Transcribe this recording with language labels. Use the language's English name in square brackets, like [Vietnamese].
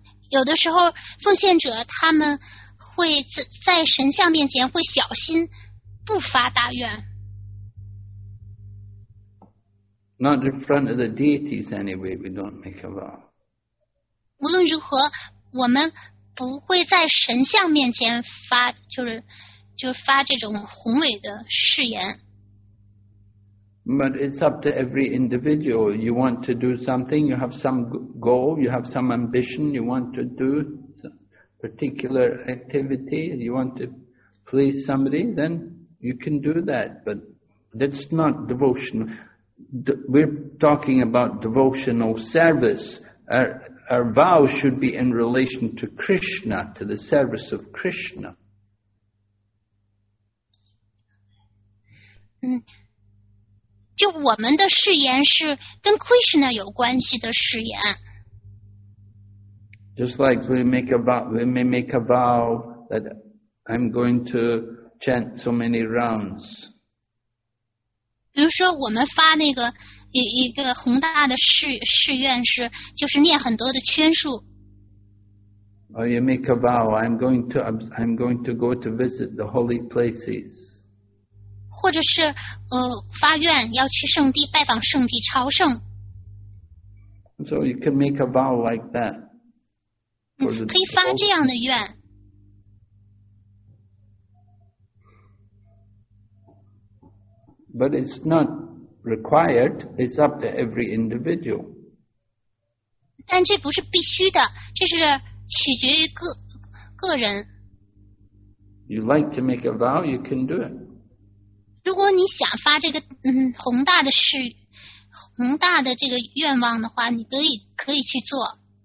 [Chinese] 有的时候奉献者他们会在神像面前会小心不发大愿。 [English] Not in front of the deities anyway, we don't make a vow. 无论如何我们不会在神像面前发发这种宏伟的誓言。 But it's up to every individual. You want to do something, you have some goal, you have some ambition, you want to do a particular activity, you want to please somebody, then you can do that. But that's not devotion. We're talking about devotional service. Our vow should be in relation to Krishna, to the service of Krishna. [Chinese] 就我们的誓言是跟 Krishna 有关系的誓言。 [English] Just like we may make a vow that I'm going to chant so many rounds. [Chinese] 比如说我们发那个一个宏大的誓愿是就是念很多的圈数。 [English] Or you make a vow, I'm going to go to visit the holy places. [Chinese] 或者是发愿要去圣地拜访圣地朝圣。 [English] So you can make a vow like that. [Chinese] 可以发这样的愿。 [English] But it's not required, it's up to every individual. [Chinese] 但这不是必须的，这是取决于个人。 [English] You like to make a vow, you can do it. [Chinese] 如果你想发这个宏大的这个愿望的话，你可以去做。